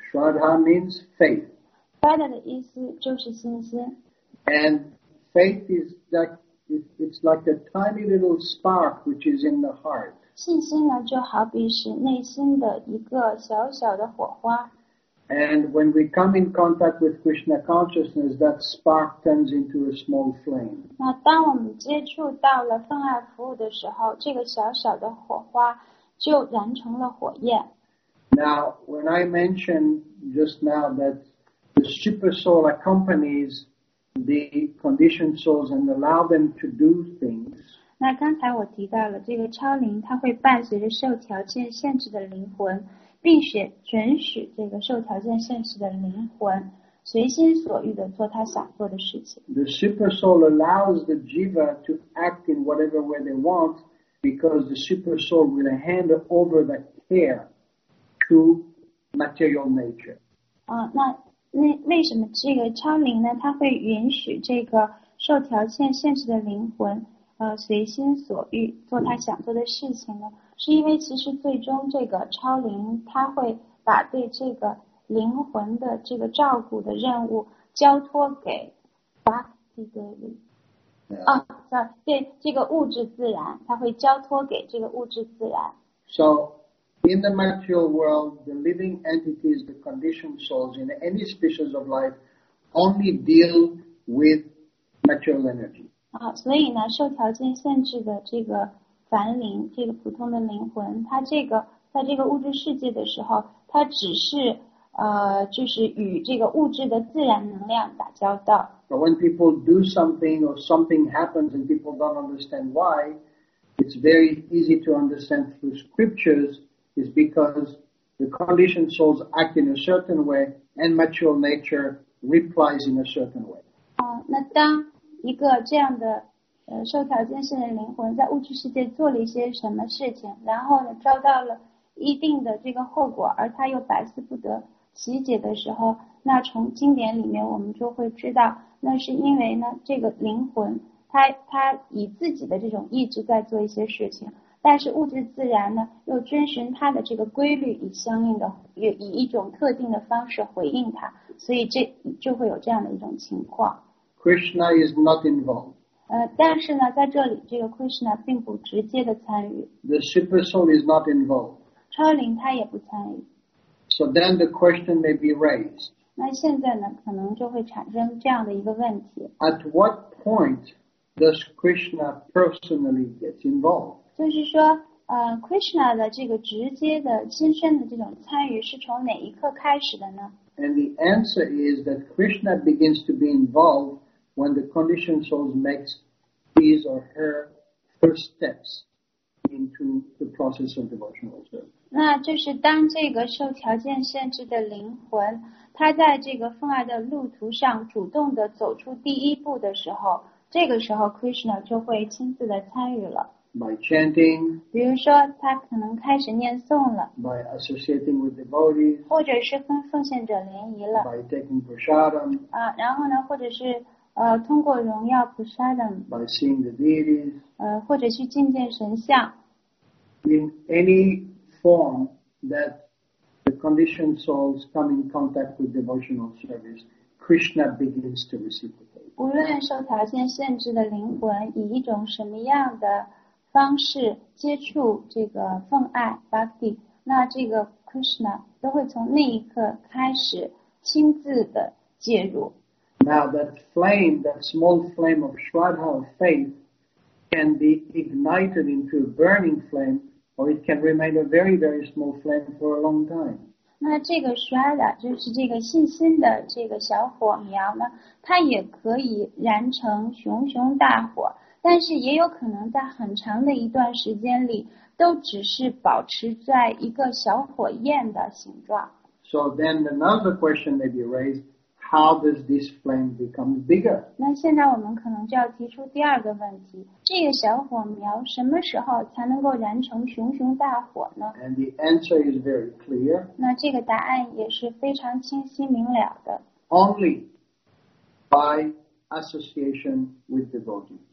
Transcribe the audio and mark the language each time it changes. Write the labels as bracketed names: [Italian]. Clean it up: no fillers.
[English] Shraddha means faith. [Chinese] Shraddha 的意思就是信心。 [English] And faith is that it's like a tiny little spark which is in the heart. [Chinese] 信心呢，就好比是内心的一个小小的火花。 [English] And when we come in contact with Krishna consciousness, that spark turns into a small flame. [Chinese] 那当我们接触到了分爱服务的时候，这个小小的火花就燃成了火焰。 [English] Now, when I mentioned just now that the super soul accompanies the conditioned souls and allow them to do things. [Chinese] 那刚才我提到了这个超灵，它会伴随着受条件限制的灵魂。并且准许这个受条件限制的灵魂随心所欲地做他想做的事情。 [English] The super soul allows the jiva to act in whatever way they want because the super soul will hand over the care to material nature. [Chinese] 那为什么这个超灵呢？他会允许这个受条件限制的灵魂随心所欲做他想做的事情呢？是因为其实最终这个超灵他会把对这个灵魂的这个照顾的任务交托给 Bhakti Devi、 [English] yeah. [Chinese] 对这个物质自然，他会交托给这个物质自然。 [English] So in the material world, the living entities, the conditioned souls in any species of life only deal with material energy、 [Chinese] 所以呢受条件限制的这个凡灵，这个普通的灵魂，它这个在这个物质世界的时候，它只是就是与这个物质的自然能量打交道。 [English] But when people do something or something happens and people don't understand why, it's very easy to understand through scriptures is because the conditioned souls act in a certain way and material nature replies in a certain way. [Chinese] 那当一个这样的受条件限制的灵魂在物质世界做了一些什么事情，然后呢遭到了一定的这个后果，而他又百思不得其解的时候，那从经典里面我们就会知道，那是因为呢这个灵魂他以自己的这种意志在做一些事情，但是物质自然呢又遵循他的这个规律，以相应的以一种特定的方式回应他，所以这就会有这样的一种情况。 [English] Krishna is not involved. [Chinese] 但是呢在这里这个 Krishna 并不直接的参与。 [English] The super soul is not involved. [Chinese] 超灵他也不参与。 [English] So then the question may be raised. [Chinese] 那现在呢可能就会产生这样的一个问题。 [English] At what point does Krishna personally get involved? [Chinese] 就是说Krishna 的这个直接的亲身的这种参与是从哪一刻开始的呢？ [English] And the answer is that Krishna begins to be involved when the conditioned soul makes his or her first steps into the process of devotional service. [Chinese] 那就是当这个受条件限制的灵魂他在这个奉爱的路途上主动的走出第一步的时候，这个时候 Krishna 就会亲自的参与了。 [English] By chanting, [Chinese] 比如说他可能开始念诵了。 [English] By associating with devotees, [Chinese] 或者是跟奉献者联谊了。 [English] By taking prasadam, [Chinese] 然后呢或者是通过荣耀菩萨等 [English] by seeing the deities, [Chinese] 或者去觐见神像 [English] in any form that the conditioned souls come in contact with devotional service, Krishna begins to reciprocate. [Chinese] 无论受条件限制的灵魂以一种什么样的方式接触这个奉爱 Bhakti, 那这个 Krishna 都会从那一刻开始亲自的介入。 [English] Now that flame, that small flame of Shraddha of faith can be ignited into a burning flame or it can remain a very, very small flame for a long time. [Chinese] 那这个 Shraddha 就是这个信心的这个小火苗呢，它也可以燃成熊熊大火，但是也有可能在很长的一段时间里都只是保持在一个小火焰的形状。 [English] So then another question may be raised,How does this flame become bigger? [Chinese] 那现在我们可能就要提出第二个问题，这个小火苗什么时候才能够燃成熊熊大火呢？ [English] And the answer is very clear. [Chinese] 那这个答案也是非常清晰明了的。 [English] Only by association with devotees.